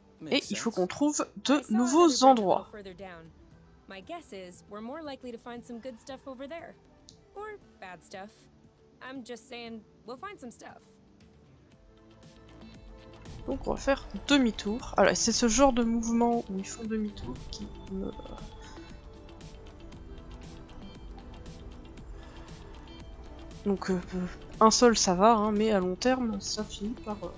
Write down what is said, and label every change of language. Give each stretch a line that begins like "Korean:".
French: Et il faut qu'on trouve de nouveaux endroits.
English: My guess is we're more likely to find some good stuff over there. Or bad stuff. I'm just saying, we'll find some stuff.
French: Donc on va faire demi-tour. Alors c'est ce genre de mouvement où ils font demi-tour qui me... Donc un seul ça va, hein, mais à long terme ça finit par...